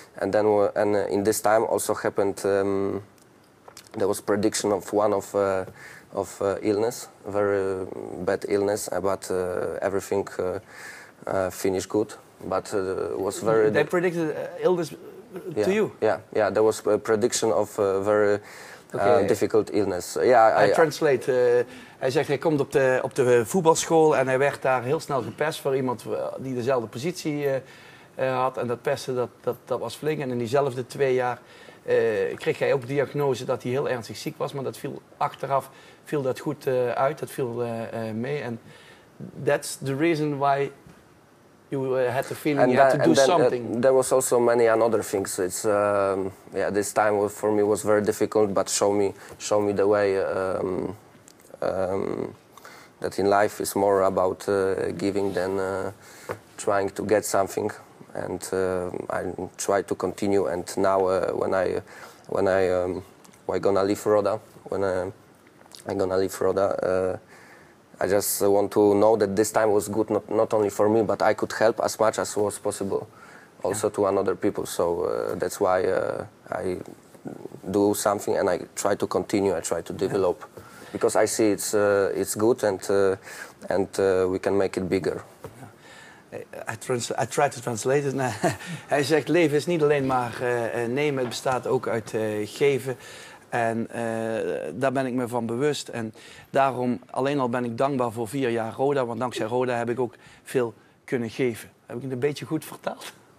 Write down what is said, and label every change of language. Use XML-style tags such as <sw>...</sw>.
<en>And then and in this time also happened, there was prediction of one of illness, very bad illness, but everything finished good, but was very... They predicted illness to yeah. you? Yeah, yeah, there was a prediction of very difficult illness. Yeah, I translate.</en> <nl>Hij zegt, hij komt op de voetbalschool en hij werd daar heel snel gepest voor iemand die dezelfde positie had. En dat pesten, dat was flink. En in diezelfde 2 jaar kreeg hij ook diagnose dat hij heel ernstig ziek was, maar dat viel achteraf. Viel dat goed uit, dat viel mee.</nl> <en>En that's the reason why you had the feeling and you had to do something. There was also many other things. It's yeah, this time for me was very difficult, but show me the way that in life is more about giving than trying to get something. And I try to continue. And now when I gonna leave Roda, I just want to know that this time was good, not only for me, but I could help as much as was possible also to another people. So that's why I do something and I try to continue, I try to develop. Yeah. Because I see it's good and we can make it bigger. I try to translate it.</en> <nl>Hij zegt, leven is niet alleen maar nemen, het bestaat ook uit geven. En daar ben ik me van bewust. En daarom alleen al ben ik dankbaar voor 4 jaar Roda. Want dankzij Roda heb ik ook veel kunnen geven. Heb ik het een beetje goed vertaald?</nl>